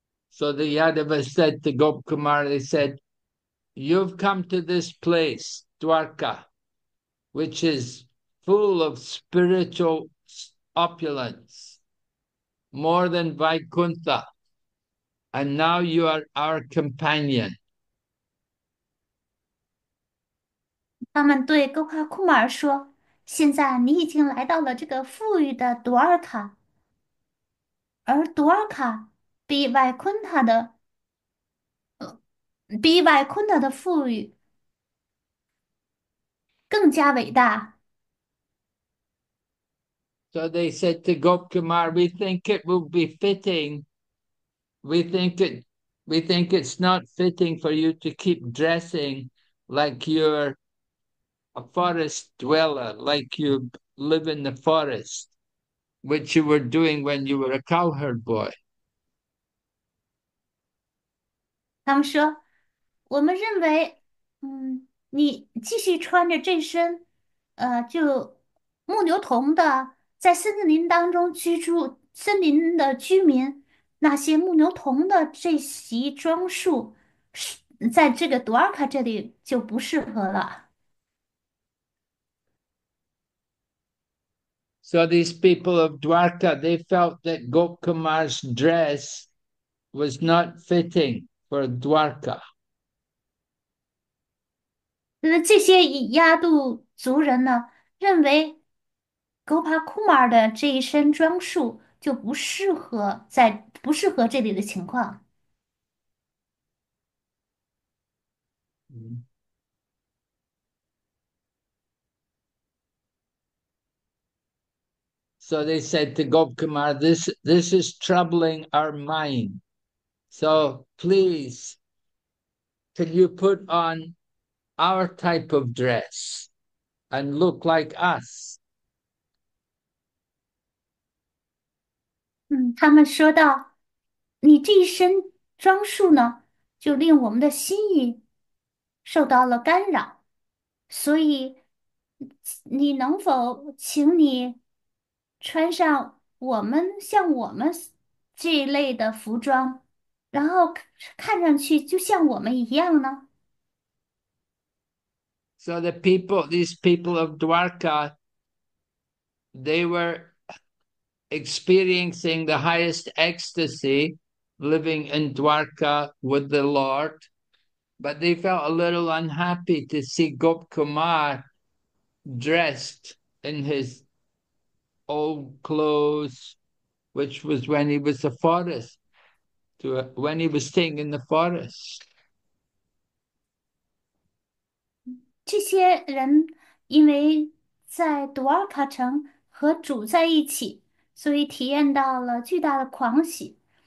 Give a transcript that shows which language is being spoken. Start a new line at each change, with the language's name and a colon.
English: So the Yadavas said to Gop Kumar, they said, "You've come to this place, Dwarka, which is full of spiritual opulence, more than Vaikuntha, and now you are our companion."
Chinese: 他们对 Gopa Kumar 说：“现在你已经来到了这个富裕的朵尔卡，而朵尔卡比外昆塔的，比外昆塔的富裕更加伟大。”
English: So they said to Gop Kumar, "We think it will be fitting. We think it's not fitting for you to keep dressing like you're a forest dweller, like you live in the forest, which you were doing when you were a cowherd boy."
Chinese: 他们说：“我们认为，你继续穿着这身，就牧牛童的，在森林当中居住，森林的居民，那些牧牛童的这袭装束，是在这个朵尔卡这里就不适合了。”
English: So these people of Dwarka, they felt that Gop Kumar's dress was not fitting for Dwarka.
Chinese: 那这些亚杜族人呢，认为 Gopa Kumar 的这一身装束就不适合这里的情况。
English: So they said to Gop Kumar, "This is troubling our mind. So please, can you put on our type of dress and look like us.
Chinese: 他们说道：“你这一身装束呢，就令我们的心意受到了干扰，所以你能否请你穿上我们像我们这一类的服装，然后看上去就像我们一样呢？”
English: So the people, these people of Dwarka, they were experiencing the highest ecstasy living in Dwarka with the Lord, but they felt a little unhappy to see Gop Kumar dressed in his old clothes, which was when he was a forest, when he was staying in the forest.
Chinese: 这些人因为在杜尔卡城和主在一起，所以体验到了巨大的狂喜。